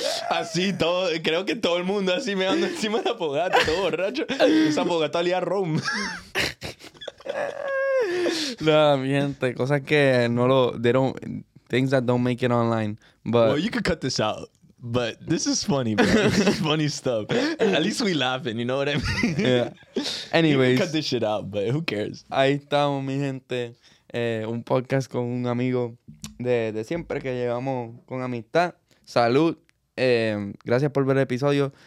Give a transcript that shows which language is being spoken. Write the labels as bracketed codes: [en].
[es] Así todo, creo que todo el mundo así meando encima de la fogata, todo borracho. Esa fogata olía a rum. No, mi gente, cosas que no lo, [en] they don't, things that don't make it online. But well, you could cut this out. But this is funny, bro. This is funny stuff. At least we laughing, you know what I mean? Yeah. Anyways, you can cut this shit out, but who cares? [es] Ahí estamos, mi gente. Un podcast con un amigo de siempre que llevamos con amistad. Salud. Gracias por ver el episodio.